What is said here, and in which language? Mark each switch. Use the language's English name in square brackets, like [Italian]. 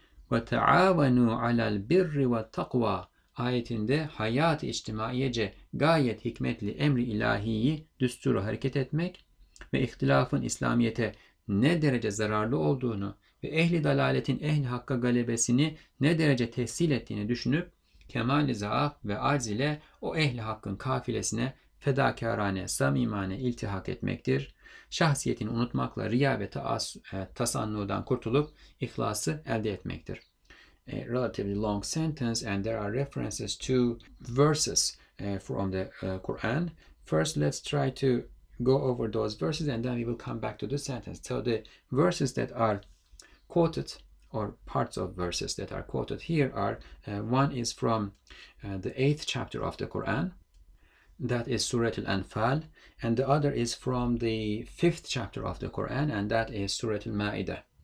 [Arabic] وَتَعَاوَنُوا عَلَى الْبِرِّ وَالتَّقْوَى [Turkish] ayetinde hayat-ı içtimaiyece gayet hikmetli emri ilahiyi düsturu hareket etmek ve ihtilafın İslamiyet'e ne derece zararlı olduğunu ve ehli dalaletin ehli hakka galebesini ne derece tesil ettiğini düşünüp kemal-i zaaf ve acz ile o ehli hakkın kafilesine fedakarane, samimane iltihak etmektir. Şahsiyetini unutmakla riya ve tasannudan kurtulup ihlası elde etmektir. [English] A relatively long sentence, and there are references to verses from the Quran. First, let's try to go over those verses and then we will come back to the sentence. So the verses that are quoted, or parts of verses that are quoted here, are one is from the 8th chapter of the Quran, that is Surah Al-Anfal, and the other is from the 5th chapter of the Quran, and that is Surah Al-Ma'idah.